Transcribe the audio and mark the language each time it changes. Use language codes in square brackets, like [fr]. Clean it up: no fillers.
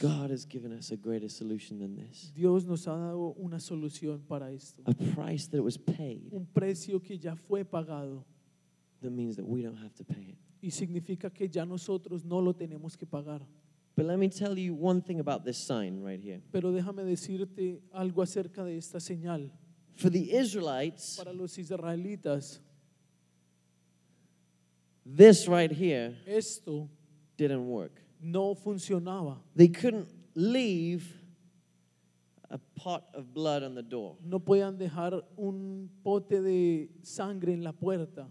[en] God has given us a greater solution than this. [es] Dios nos ha dado una solución para esto. [en] A price that was paid. [es] Un precio que ya fue pagado. [en] That means that we don't have to pay it. [es] Y significa que ya nosotros no lo tenemos que pagar. [en] But let me tell you one thing about this sign right here. [es] Pero déjame decirte algo acerca de esta señal. [en] For the Israelites, [es] para los israelitas, [en] this right here, [es] esto, [en] didn't work. [es] No funcionaba. [en] They couldn't leave a pot of blood on the door. [es] No podían dejar un pote de sangre en la puerta.